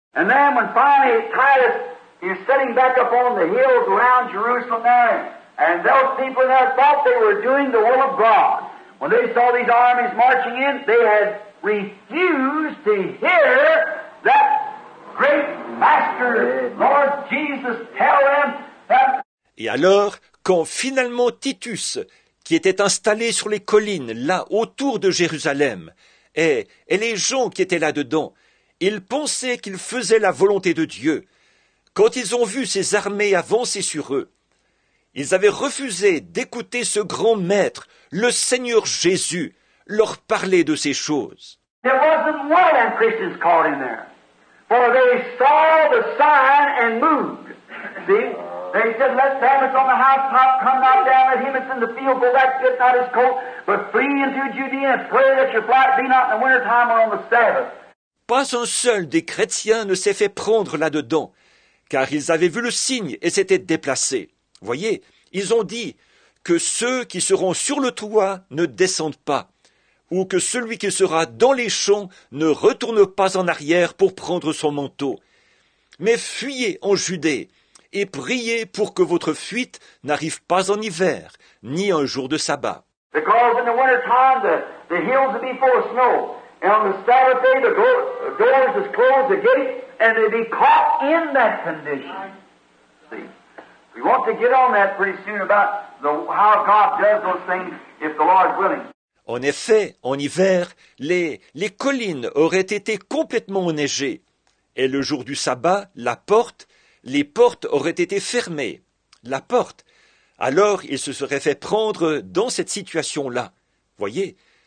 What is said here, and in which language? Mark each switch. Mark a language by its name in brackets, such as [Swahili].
[English] And then when finally Titus is sitting back up on the hills around Jerusalem there, and those people there thought they were doing the will of God. When they saw these armies marching in, they had refused to hear that great master, Lord Jesus, tell them that. [French] Et alors, quand finalement Titus, qui était installé sur les collines, là, autour de Jérusalem, et les gens qui étaient là-dedans, ils pensaient qu'ils faisaient la volonté de Dieu. Quand ils ont vu ces armées avancer sur eux, ils avaient refusé d'écouter ce grand maître, le Seigneur Jésus, leur parler de ces choses. [English] There wasn't one of the Christians caught in there, for they saw the sign and moved. See? They said, let Thomas on the housetop come not down, let him that's in the field go back, get not his coat, but flee into Judea, and pray that your flight be not in the winter time or on the Sabbath. [French] Pas un seul des chrétiens ne s'est fait prendre là-dedans, car ils avaient vu le signe et s'étaient déplacés. Voyez, ils ont dit que ceux qui seront sur le toit ne descendent pas, ou que celui qui sera dans les champs ne retourne pas en arrière pour prendre son manteau. Mais fuyez en Judée et priez pour que votre fuite n'arrive pas en hiver, ni un jour de sabbat. [English] Because in the winter time the hills will be full of snow. And on the Sabbath day, the doors is closed, the gates, and they'd be caught in that condition. See, we want to get on that pretty soon about the, how God does those things, if the Lord's willing. [French] En effet, en hiver, les collines auraient été complètement enneigées. Et le jour du sabbat, la porte, les portes auraient été fermées. La porte. Alors, ils se seraient fait prendre dans cette situation-là. Voyez.